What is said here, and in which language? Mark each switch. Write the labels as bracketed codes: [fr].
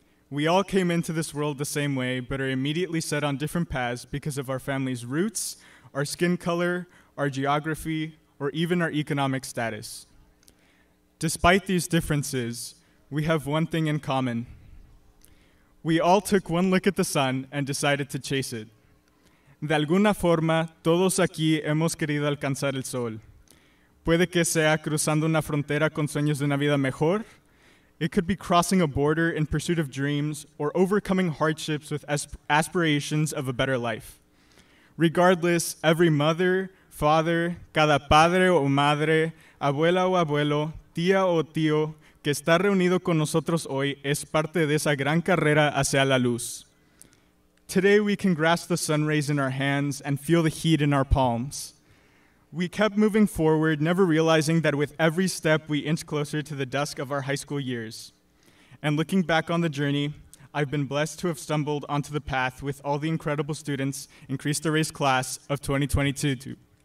[en] We all came into this world the same way, but are immediately set on different paths because of our family's roots, our skin color, our geography, or even our economic status. Despite these differences, we have one thing in common. We all took one look at the sun and decided to chase it. [es] De alguna forma, todos aquí hemos querido alcanzar el sol. Puede que sea cruzando una frontera con sueños de una vida mejor. [en] It could be crossing a border in pursuit of dreams or overcoming hardships with aspirations of a better life. Regardless, every mother, father, [es] cada padre o madre, abuela o abuelo, tía o tío, que está reunido con nosotros hoy es parte de esa gran carrera hacia la luz. [en] Today we can grasp the sun rays in our hands and feel the heat in our palms. We kept moving forward, never realizing that with every step we inch closer to the dusk of our high school years. And looking back on the journey, I've been blessed to have stumbled onto the path with all the incredible students in Cristo Rey's class of 2022.